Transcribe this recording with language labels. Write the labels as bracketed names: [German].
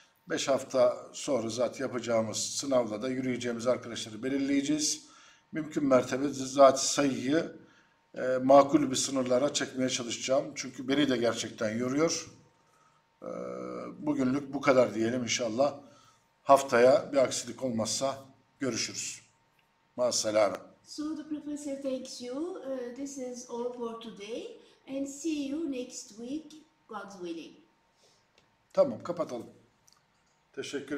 [Turkish] 5 hafta sonra zaten yapacağımız sınavla da yürüyeceğimiz arkadaşları belirleyeceğiz. Mümkün mertebe zaten sayıyı makul bir sınırlara çekmeye çalışacağım. Çünkü beni de gerçekten yoruyor. Bugünlük bu kadar diyelim inşallah. Haftaya bir aksilik olmazsa görüşürüz. Maşallah. [English] So the professor thanks you. This is all for today and see you next week, God's willing. [Turkish] Tamam, kapatalım. Teşekkür.